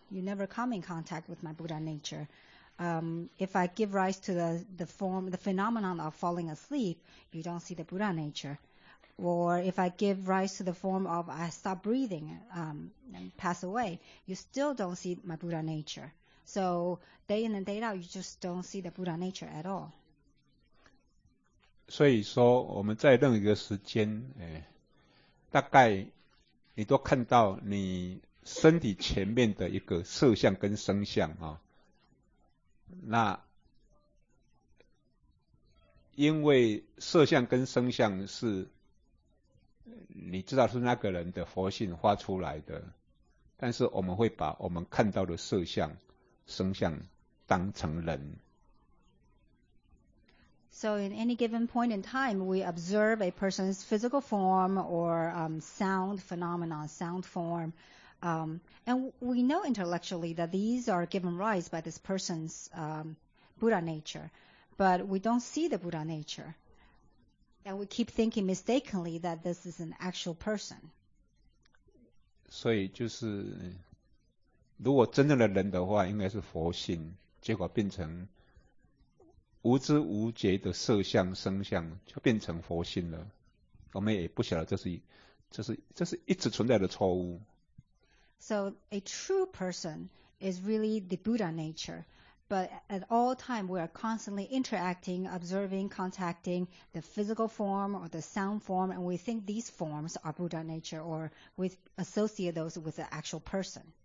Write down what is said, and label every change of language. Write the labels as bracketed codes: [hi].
[en] You never come in contact with my Buddha nature. If I give rise to the form, the phenomenon of falling asleep, you don't see the Buddha nature. Or if I give rise to the form of I stop breathing and pass away, you still don't see my Buddha nature. So day in and day out, you just don't see the Buddha nature at all. [zh] 所以说我们在任何一个时间，大概你都看到你身体前面的一个色相跟声相啊。那因为色相跟声相是你知道是那个人的佛性发出来的，但是我们会把我们看到的色相、声相当成人。 [en] So in any given point in time, we observe a person's physical form or sound phenomenon, sound form. And we know intellectually that these are given rise by this person's Buddha nature, but we don't see the Buddha nature. And we keep thinking mistakenly that this is an actual person. [zh] 所以就是如果真正的人的话应该是佛性结果变成无知无觉的色相生相就变成佛性了我们也不晓得这是一直存在的错误 [en] So a true person is really the Buddha nature, but at all time we are constantly interacting, observing, contacting the physical form or the sound form, and we think these forms are Buddha nature, or we associate those with the actual person.